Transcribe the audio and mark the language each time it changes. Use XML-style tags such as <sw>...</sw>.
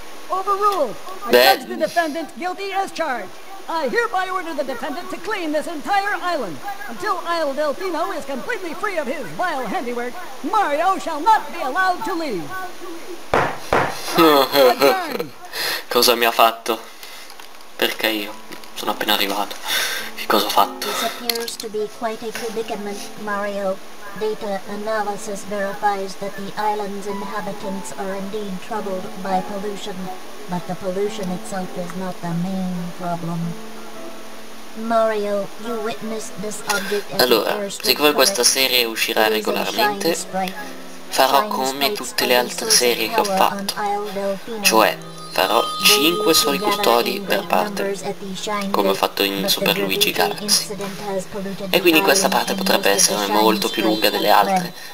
<en>Overruled. I judge the defendant guilty as charged. I hereby order the defendant to clean this entire island. Until Isle Delfino is completely free of his vile handiwork, Mario shall not be allowed to leave.</en> <it>Cosa mi ha fatto? Perché io sono appena arrivato. Che cosa ho fatto?</it> <en>This appears to be quite a predicament, Mario. Data analysis verifies that the island's inhabitants are indeed troubled by pollution, but the pollution itself is not the main problem. Mario, you witnessed this object.</en> <it>Allora, siccome questa serie uscirà regolarmente, farò come tutte le altre serie che ho fatto, cioè farò 5 soli custodi per parte, come ho fatto in Super Luigi Galaxy. E quindi questa parte potrebbe essere molto più lunga delle altre.</it>